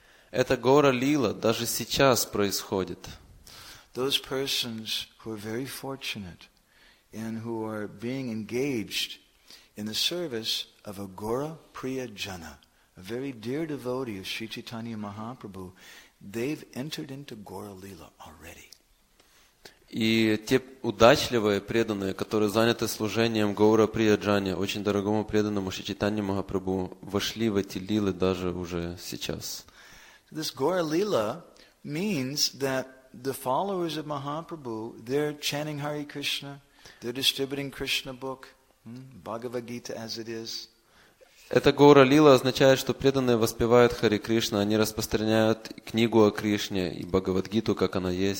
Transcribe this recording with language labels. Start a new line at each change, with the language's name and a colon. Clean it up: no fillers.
Russian: Эта Гаура-лила даже сейчас происходит.
English: Those persons who are very fortunate and who are being engaged in the service of a Gaura Priya Jana, a very dear devotee of Sri Chaitanya Mahaprabhu, they've entered into Gaura Lila already.
Russian: И те удачливые преданные, которые заняты служением Гаура Прияджане, очень дорогому преданному Шри Чайтанья Махапрабху, вошли в эти лилы даже уже сейчас.
English: This Gaura Lila means that the followers of Mahaprabhu, they're chanting Hare Krishna, they're distributing Krishna book, Bhagavad Gita as it is.
Russian: Эта Гаура-лила означает, что преданные воспевают Хари Кришна, они распространяют книгу о Кришне и Бхагавад-гиту, как она